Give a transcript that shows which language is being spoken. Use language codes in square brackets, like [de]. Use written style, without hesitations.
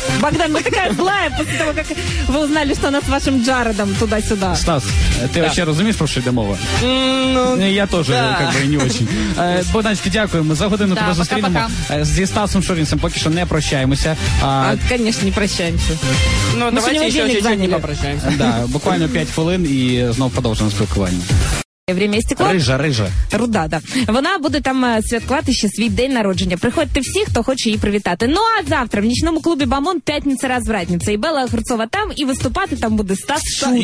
[uk] Богдан, ви така злая, після того, як ви узнали, що вона з вашим Джаредом туди-сюди. Стас, ти вообще розумієш, про що йде мова? Ну, я теж, как бы, не очень. Богданчик, дякуємо. За годину тебе зустрінемо. Зі Стасом Шурінцем поки що не прощаємо. [ru] Конечно, не прощаемся. Ну, давайте еще чуть-чуть не попрощаемся. Да, буквально 5 хвилин и снова продолжим спілкування. Время і стекло. Рижа, рижа. [uk] Руда, да. Вона буде там святкувати ще свій день народження. Приходьте всі, хто хоче її привітати. Ну, а завтра в нічному клубі «Бамон» п'ятниця розвратниця. І Белла Гурцова там, і виступати там буде Стас Шурінс.